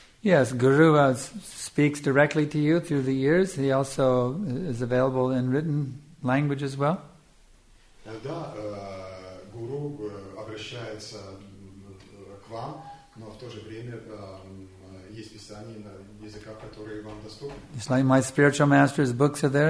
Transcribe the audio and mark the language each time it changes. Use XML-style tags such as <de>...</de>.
<en>Yes, guru speaks directly to you through the ears. He also is available in written language as well.</en> <ru>Да, гуру обращается к вам, но в то же время есть писание на языках, которые вам доступны.</ru> <en>It's like my spiritual master's books are there.</en>